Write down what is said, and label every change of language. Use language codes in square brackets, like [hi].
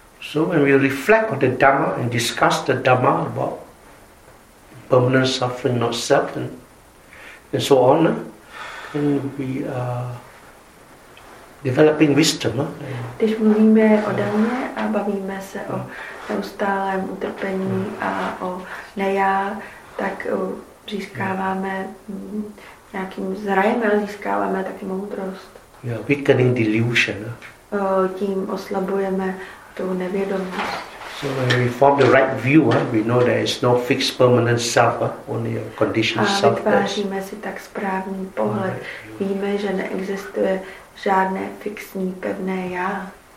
[en] So when we reflect on the Dhamma and discuss the Dhamma about permanent suffering, not self, and so on, then we are developing wisdom. [cs] Když mluvíme o Dhamme a bavíme se o neustálém utrpení a o nejá, tak získáváme nějakým zrajem, ale získáváme taky moudrost. [en] Yeah, weakening delusion. [cs] Tím oslabujeme tu nevědomost. [en] So when we form the right view, we know there is no fixed permanent self, only a conditioned self. [cs] A vytváříme si tak správný pohled. Víme, že neexistuje žádné fixní pevné já.